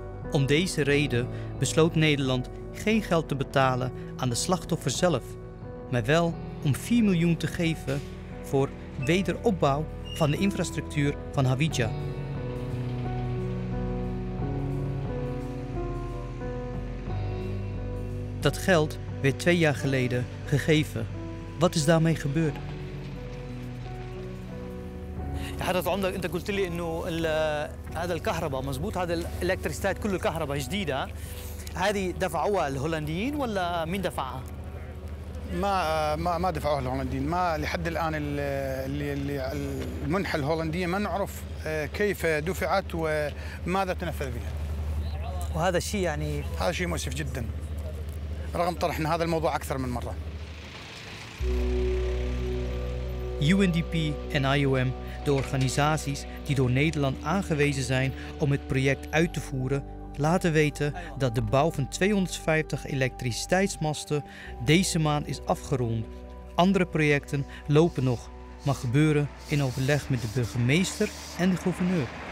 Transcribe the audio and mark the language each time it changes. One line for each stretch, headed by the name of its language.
Dutch: Om deze reden besloot Nederland geen geld te betalen aan de slachtoffer zelf, maar wel om 4 miljoen te geven voor wederopbouw van de infrastructuur van Hawija. Dat geld werd 2 jaar geleden gegeven. Wat is daarmee gebeurd?
Arabic: هذا عندك انت قلت لي انه هذا الكهرباء مزبوط هذا الالكتريسيتات كل الكهرباء جديده هذه دفعوها الهولنديين ولا مين دفعها ما دفعوها الهولنديين ما لحد الان اللي المنحه الهولنديه ما نعرف كيف دفعت وماذا تنفذ بها وهذا الشيء يعني هذا شيء مؤسف جدا رغم طرحنا هذا الموضوع اكثر من مره
Dutch: UNDP en IOM, de organisaties die door Nederland aangewezen zijn om het project uit te voeren, laten weten dat de bouw van 250 elektriciteitsmasten deze maand is afgerond. Andere projecten lopen nog, maar gebeuren in overleg met de burgemeester en de gouverneur.